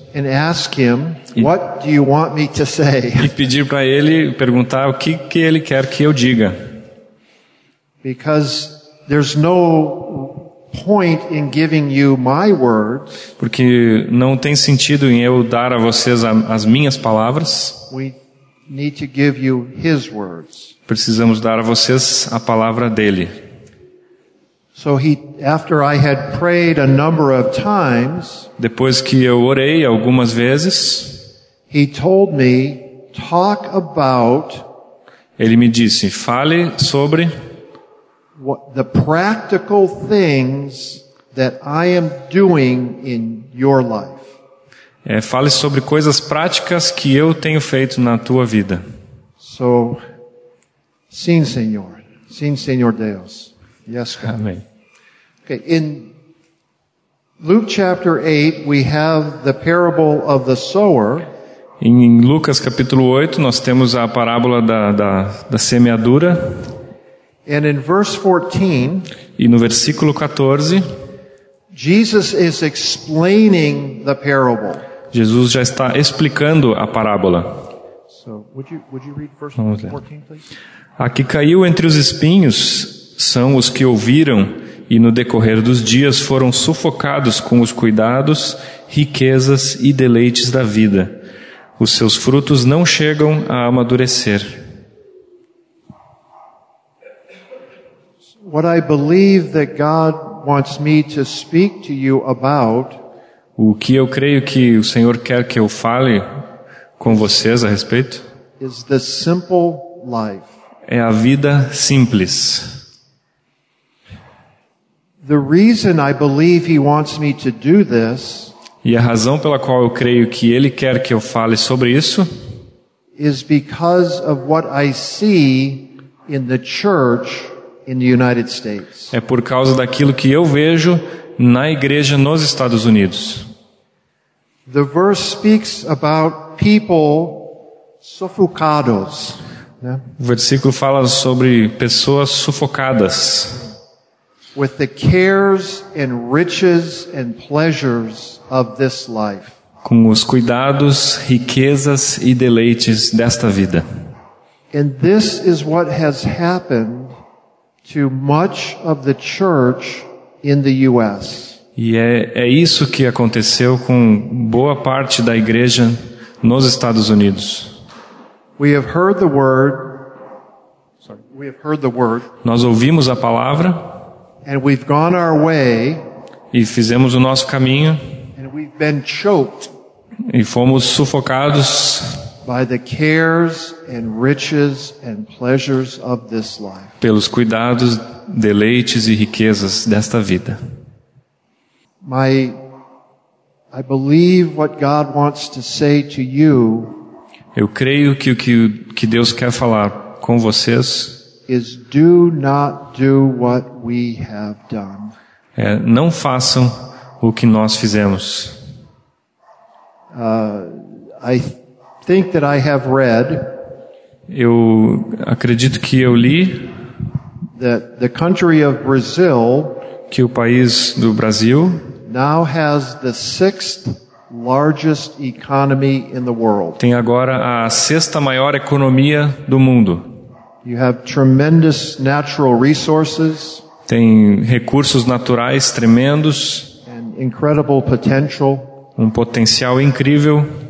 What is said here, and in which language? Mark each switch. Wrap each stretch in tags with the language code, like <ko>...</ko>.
<en>And ask him, what do you want me to say?</en> <pt>E pedir para ele perguntar o que ele quer que eu diga.</pt> <en>Because there's no point in giving you my words.</en> <pt>Porque não tem sentido em eu dar a vocês as minhas palavras.</pt> <en>We need to give you his words.</en> <pt>Precisamos dar a vocês a palavra dele.</pt> <en>So he, after I had prayed a number of times,</en> <pt>depois que eu orei algumas vezes,</pt> <en>he told me, talk about,</en> <pt>ele me disse, fale sobre</pt> <en>the practical things that I am doing in your life.</en> <pt>É, fale sobre coisas práticas que eu tenho feito na tua vida. So, sim, Senhor. Sim, Senhor Deus.</pt> <en>Yes, God.</en> <pt>Amém.</pt> <en>Okay, in Luke chapter 8, we have the parable of the sower.</en> <pt>Em Lucas capítulo 8, nós temos a parábola da semeadura.</pt> <en>And in verse 14,</en> <pt>e no versículo 14,</pt> <en>Jesus is explaining the parable.</en> <pt>Jesus já está explicando a parábola.</pt> <en>So, would you read verse 14, please?</en> <pt>A que caiu entre os espinhos são os que ouviram e no decorrer dos dias foram sufocados com os cuidados, riquezas e deleites da vida. Os seus frutos não chegam a amadurecer.</pt> <en>What I believe that God wants me to speak to you about,</en> <pt>o que eu creio que o Senhor quer que eu fale com vocês a respeito,</pt> <en>is the simple life.</en> <pt>É a vida simples.</pt> <en>The reason I believe he wants me to do this,</en> <pt>e a razão pela qual eu creio que ele quer que eu fale sobre isso,</pt> <en>is because of what I see in the church in the United States.</en> <pt>É por causa daquilo que eu vejo na igreja nos Estados Unidos.</pt> <en>The verse speaks about people sufocados.</en> <pt>O versículo fala sobre pessoas sufocadas.</pt> <en>With the cares and riches and pleasures of this life.</en> <pt>Com os cuidados, riquezas e deleites desta vida.</pt> <en>And this is what has happened to much of the church in the US.</en> <pt>E é isso que aconteceu com boa parte da igreja nos Estados Unidos.</pt> <en>We have heard the word. Sorry, we have heard the word.</en> <pt>Nós ouvimos a palavra.</pt> <en>And we've gone our way.</en> <pt>E fizemos o nosso caminho.</pt> <en>And we've been choked.</en> <pt>E fomos sufocados</pt> <en>by the cares and riches and pleasures of this life.</en> <pt>Pelos cuidados, deleites e riquezas desta vida.</pt> <en>I believe what God wants to say to you.</en> <pt>Eu creio que o que Deus quer falar com vocês</pt> <en>is do not do what we have done.</en> <pt>É não façam o que nós fizemos.</pt> <en>I think that I have read.</en> <pt>Eu acredito que eu li</pt> <en>that the country of Brazil,</en> <pt>que o país do Brasil,</pt> <en>now has the sixth largest economy in the world.</en> <pt>Tem agora a sexta maior economia do mundo.</pt> <en>You have tremendous natural resources.</en> <pt>Tem recursos naturais tremendos.</pt> <en>An incredible potential.</en> <pt>Um potencial incrível.</pt>